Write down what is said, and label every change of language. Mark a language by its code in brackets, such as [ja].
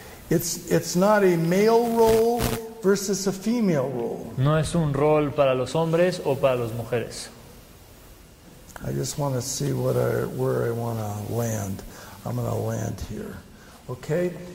[en] It's not a male role versus a female role. [es] No es un rol para los hombres o para las mujeres. [en] I just want to see where I want to land. I'm going to land here. Okay?